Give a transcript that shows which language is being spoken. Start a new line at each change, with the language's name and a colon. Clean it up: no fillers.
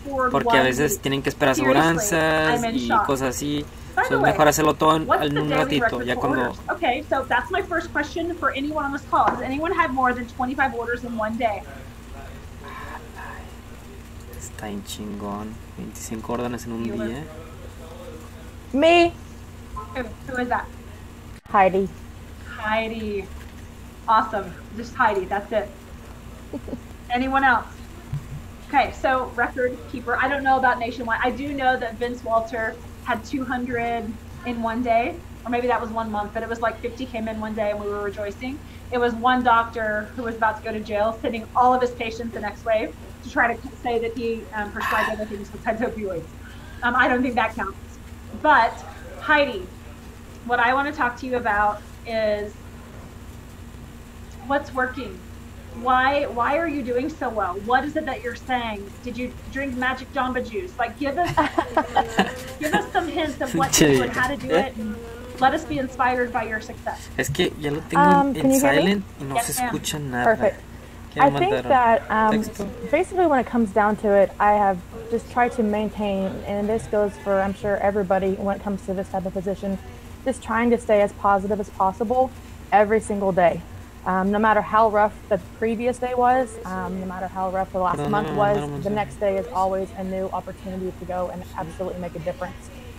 Spanish: Porque a veces tienen que esperar aseguranzas y cosas así. So es mejor hacerlo todo en un ratito, ya cuando...
English: Okay, so that's my first question for anyone on this call. Does anyone have more than 25 orders in one day?
Spanish: Está en chingón. 25 órdenes en un día.
English: Me. Who is that? Heidi. Heidi. Awesome. Just Heidi, that's it. Anyone else? Okay, so record keeper. I don't know about nationwide. I do know that Vince Walter had 200 in one day, or maybe that was 1 month, but it was like 50 came in one day and we were rejoicing. It was one doctor who was about to go to jail, sending all of his patients the next wave to try to say that he prescribed other things besides opioids. I don't think that counts. But Heidi, what I want to talk to you about is what's working. Why are you doing so well? What is it that you're saying? Did you drink magic Jamba juice? Like, give us some hints of what to do and how to do it. Let us be inspired by your success.
Spanish: Es que ya lo tengo en silent y no se escucha nada.
English: Perfect. I think that basically when it comes down to it, I have just tried to maintain, and this goes for, I'm sure, everybody when it comes to this type of position, just trying to stay as positive as possible every single day. No matter how rough the previous day was, no matter how rough the last month was, the next day is always a new opportunity to go and absolutely make a difference.